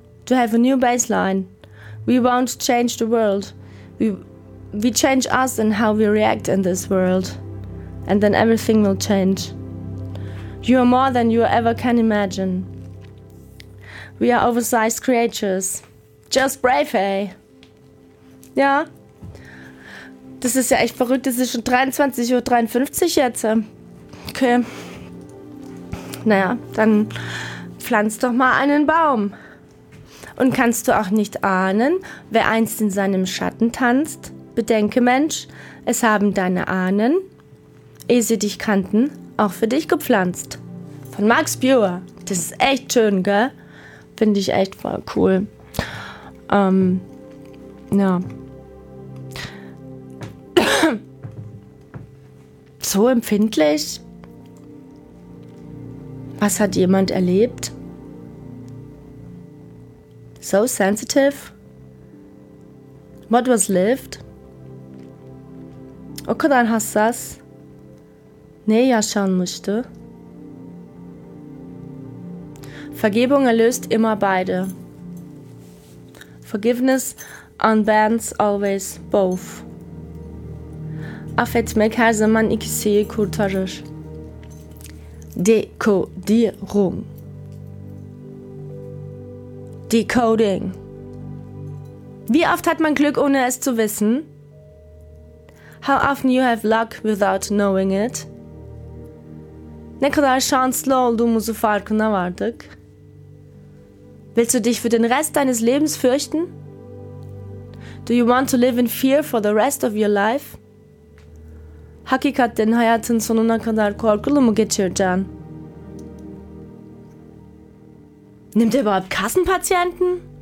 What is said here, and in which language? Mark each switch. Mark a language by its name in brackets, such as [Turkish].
[English] To have a new baseline. We won't change the world. We change us and how we react in this world. And then everything will change. You are more than you ever can imagine. We are oversized creatures. Just brave, eh? Ja? [German] Das ist ja echt verrückt. Es ist schon 23.53 Uhr jetzt. Okay. Naja, dann pflanz doch mal einen Baum. Und kannst du auch nicht ahnen, wer einst in seinem Schatten tanzt? Bedenke, Mensch, es haben deine Ahnen, ehe sie dich kannten, auch für dich gepflanzt. Von Max Buehr. Das ist echt schön, gell? Finde ich echt voll cool. Ja. So empfindlich? Was hat jemand erlebt? [English] So sensitive? What was lived? [Turkish] Oh, kadar hassas? Ne yaşan müştü? [German] Vergebung erlöst immer beide. [English] Forgiveness unbands always both. [Turkish] Affetmek her zaman ikisini kurtarır. [German] Dekodierung. [English] Decoding. [German] Wie oft hat man Glück, ohne es zu wissen? [English] How often you have luck without knowing it? [Turkish] Ne kadar şanslı olduğumuzu farkına vardık. [German] Willst du dich für den Rest deines Lebens fürchten? [English] Do you want to live in fear for the rest of your life? [Turkish] Hakikaten hayatın sonuna kadar korkulu mu geçireceksin? [German] Nimmt ihr überhaupt Kassenpatienten?